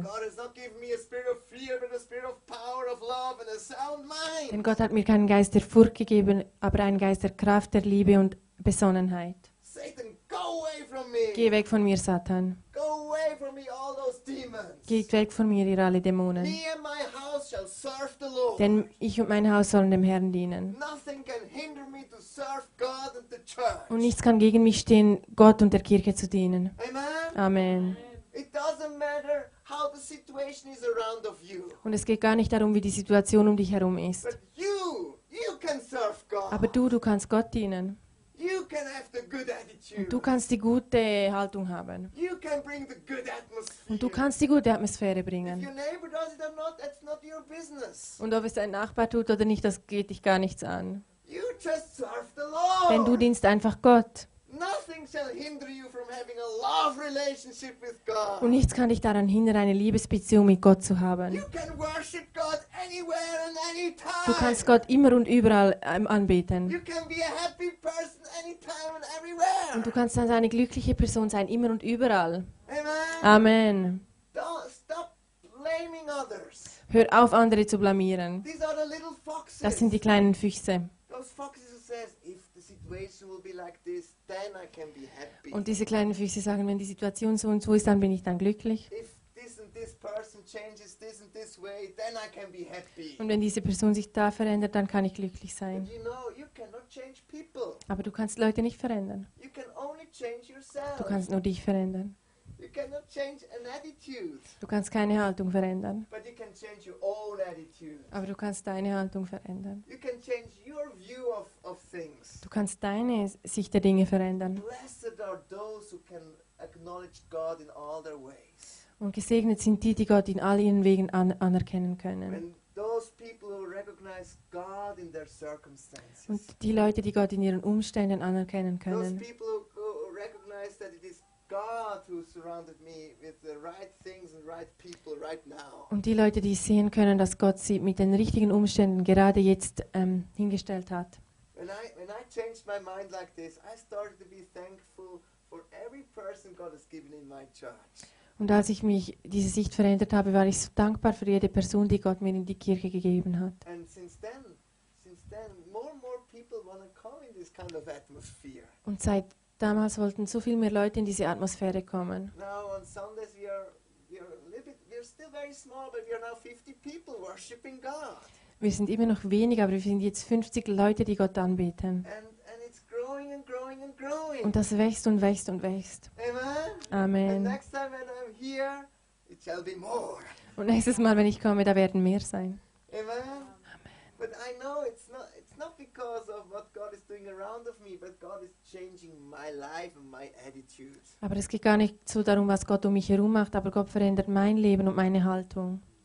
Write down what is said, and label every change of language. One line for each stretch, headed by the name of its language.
English: God has not given me a spirit of fear, but a spirit of power, of love and a sound mind.
German: Denn Gott hat mir keinen Geist der Furcht gegeben, aber einen Geist der Kraft, der Liebe und Besonnenheit.
English: Satan, go away from me.
German: Geh weg von mir, Satan.
English: Go away from me, all those demons.
German: Geht weg von mir, ihr alle Dämonen.
English: Me and my house shall serve the Lord.
German: Denn ich und mein Haus sollen dem Herrn dienen.
English: Nothing can hinder me to serve God and the church.
German: Und nichts kann gegen mich stehen, Gott und der Kirche zu dienen.
English: Amen.
German: Amen.
English: It doesn't matter how the situation is around of you.
German: Und es geht gar nicht darum, wie die Situation um dich herum ist.
English: But you can serve God.
German: Aber du kannst Gott dienen.
English: You can have the good attitude.
German: Und du kannst die gute Haltung haben.
English: You can bring the good atmosphere.
German: Und du kannst die gute Atmosphäre bringen.
English: If your neighbor does it or not, that's not your business.
German: Und ob es dein Nachbar tut oder nicht, das geht dich gar nichts an.
English: You just serve the Lord.
German: Denn du dienst einfach Gott.
English: Nothing shall hinder you from having a love relationship with God.
German: Und nichts kann dich daran hindern, eine Liebesbeziehung mit Gott zu haben.
English: You can worship God anywhere and anytime.
German: Du kannst Gott immer und überall anbeten.
English: You can be a happy person anytime and everywhere.
German: Und du kannst dann eine glückliche Person sein, immer und überall.
English: Amen.
German: Amen.
English: Stop blaming others.
German: Hör auf, andere zu blamieren.
English: These are the little foxes.
German: Das sind die kleinen Füchse.
English: Those foxes who says, if the situation will be like this, then I can be happy.
German: Und diese kleinen Füße sagen, wenn die Situation so und so ist, dann bin ich dann glücklich.
English: If this and this person changes this and this way, then I can be happy.
German: Und wenn diese Person sich da verändert, dann kann ich glücklich sein.
English: But you know, you cannot change people.
German: Aber du kannst Leute nicht verändern.
English: You can only change yourself.
German: Du kannst nur dich verändern.
English: You cannot change an attitude.
German: Du kannst keine Haltung verändern.
English: But you can change your own attitude.
German: Aber du kannst deine Haltung verändern.
English: You can change your view of things.
German: Du kannst deine Sicht der Dinge verändern.
English: Blessed are those who can acknowledge God in all their ways.
German: Und gesegnet sind die, die Gott in all ihren Wegen anerkennen können.
English: When those people who recognize God in their circumstances.
German: Und die Leute, die Gott in ihren Umständen anerkennen können.
English: Those people who recognize that it is God who surrounded me with the right things and right people right now.
German: Und die Leute, die sehen können, dass Gott sie mit den richtigen Umständen gerade jetzt hingestellt hat.
English: When I changed my mind like this, I started to be thankful for every person God has given in my church.
German: Und als ich mich diese Sicht verändert habe, war ich so dankbar für jede Person, die Gott mir in die Kirche gegeben hat.
English: And since then more and more people want to come in this kind of atmosphere.
German: Und seit damals wollten so viel mehr Leute in diese Atmosphäre kommen.
English: Now on Sundays we are still very small, but we are now 50 people worshiping God.
German: Wir sind immer noch wenig, aber wir sind jetzt 50 Leute, die Gott anbeten.
English: And it's growing and growing and growing.
German: Und das wächst und wächst und wächst.
English: Amen.
German: Amen.
English: And next time when I'm here, it shall be more.
German: Und nächstes Mal, wenn ich komme, da werden mehr sein.
English: Amen.
German: Amen.
English: But I know it's not because of what God is doing around of me, but God is changing my life and my attitude.
German: Aber es geht gar nicht so darum, was Gott um mich herum macht, aber Gott verändert mein Leben und meine Haltung.